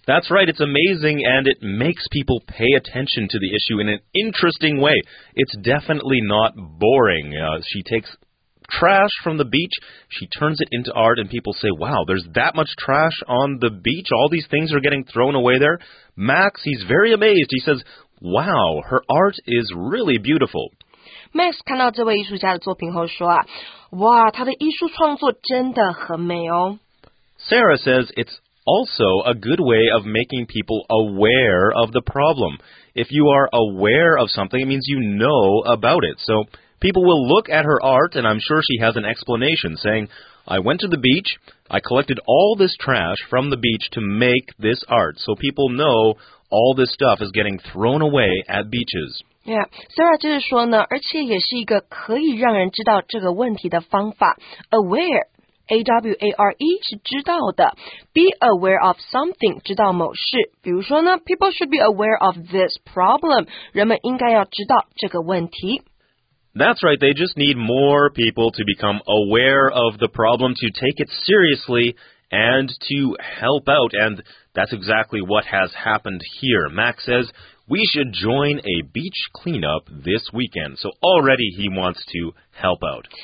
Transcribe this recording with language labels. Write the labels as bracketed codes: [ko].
[en] That's right, it's amazing and it makes people pay attention to the issue in an interesting way It's definitely not boring She takes trash from the beach She turns it into art and people say Wow, there's that much trash on the beach All these things are getting thrown away there Max, he's very amazed, he saysWow, her art is really beautiful. [zh] Max 看到这位艺术家的作品后说啊，哇，她的艺术创作真的很美哦。 [en] Sarah says it's also a good way of making people aware of the problem. If you are aware of something, it means you know about it. So people will look at her art, and I'm sure she has an explanation saying, I went to the beach, I collected all this trash from the beach to make this art. So people know... All this stuff is getting thrown away at beaches. [zh] Yeah, Sarah 就是说呢，而且也是一个可以让人知道这个问题的方法。 Aware, A-W-A-R-E 是知道的。 [en] Be aware of something, [zh] 知道某事。比如说呢 [en] people should be aware of this problem. [zh] 人们应该要知道这个问题。 [en] That's right, they just need more people to become aware of the problem, to take it seriously, and to help out and... That's exactly what has happened here. Max says, we should join a beach cleanup this weekend. So already he wants to help out.